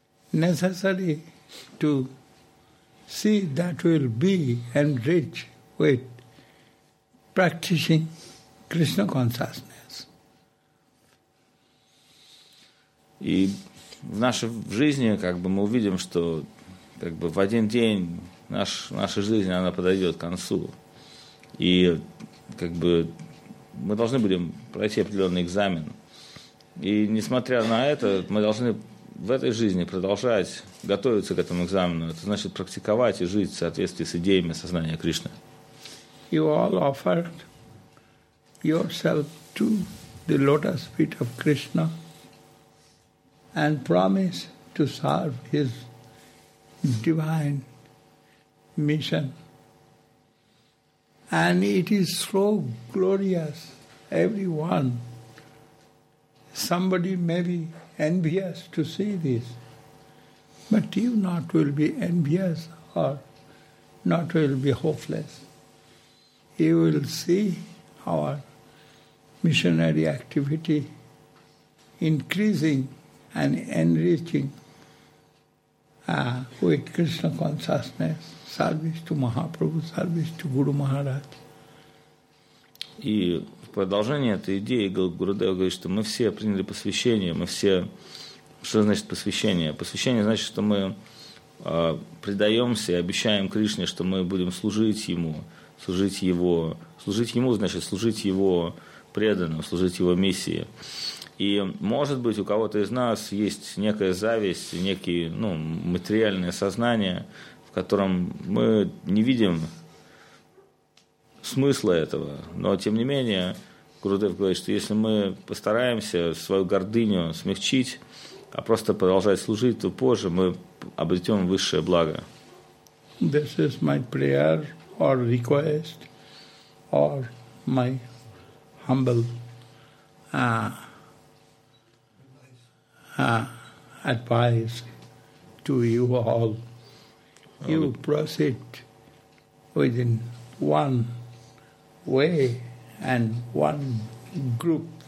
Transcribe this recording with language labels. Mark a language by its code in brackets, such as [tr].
[en] Necessary to see that will be enriched with practicing Krishna consciousness. [ru] И в нашей жизни как бы мы увидим, что как бы в один день наша жизнь она подойдет к концу. И как бы мы должны будем пройти определенный экзамен. И несмотря на это, мы должны в этой жизни продолжать готовиться к этому экзамену. Это значит практиковать и жить в соответствии с идеями сознания Кришны. [en] You all offered yourself to the lotus feet of Krishna and promise to serve his divine mission. And it is so glorious, everyone. Somebody may be envious to see this, but you not will be envious or not will be hopeless. You will see our missionary activity increasing and enriching with Krishna consciousness, service to Mahaprabhu, service to Guru Maharaj. [ru] И в продолжение этой идеи Гурудев говорит, что мы все приняли посвящение, мы все... Что значит посвящение? Посвящение значит, что мы предаемся и обещаем Кришне, что мы будем служить Ему, служить Его. Служить Ему значит служить Его преданным, служить Его миссии. И, может быть, у кого-то из нас есть некая зависть, некие, ну, материальное сознание, в котором мы не видим смысла этого. Но, тем не менее, Гурудев говорит, что если мы постараемся свою гордыню смягчить, а просто продолжать служить, то позже мы обретем высшее благо. [en] This is my prayer or request or my humble advice to you all. You proceed within one way and one group.